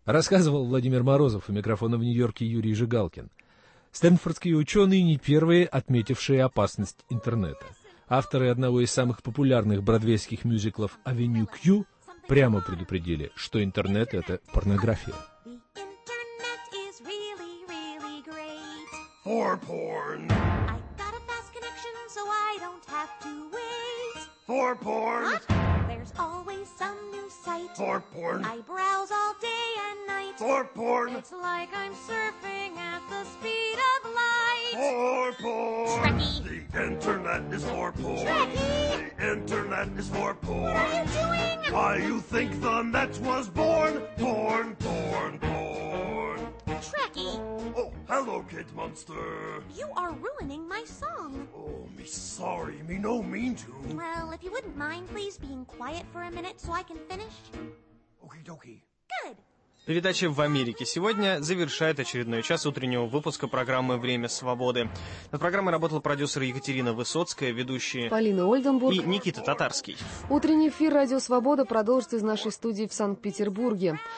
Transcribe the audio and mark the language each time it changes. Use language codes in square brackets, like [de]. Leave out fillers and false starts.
[ru] Рассказывал Владимир Морозов, у микрофона в Нью-Йорке Юрий Жигалкин. Стэнфордские ученые не первые, отметившие опасность интернета. Авторы одного из самых популярных бродвейских мюзиклов «Авеню Кью» прямо предупредили, что интернет – это порнография. [en] For porn. I got a fast connection, so I don't have to wait. For porn. What? There's always some new site. For porn. I browse all day and night. For porn. It's like I'm surfing at the speed of light. For porn. Trekkie. The internet is for porn. Trekkie. The internet is for porn. What are you doing? Why you think the net was born? Porn, porn, porn. Trekkie. Oh, hello, Kid Monster. You are ruining my song. Oh, me sorry, me no mean to. Well, if you wouldn't mind, please, being quiet for a minute so I can finish. Okey-dokey. Good. [ru] Передача «В Америке» сегодня завершает очередной час утреннего выпуска программы «Время свободы». Над программой работал продюсер Екатерина Высоцкая, ведущие Полина Ольденбург и Никита Татарский. Утренний эфир «Радио Свобода» продолжится из нашей студии в Санкт-Петербурге.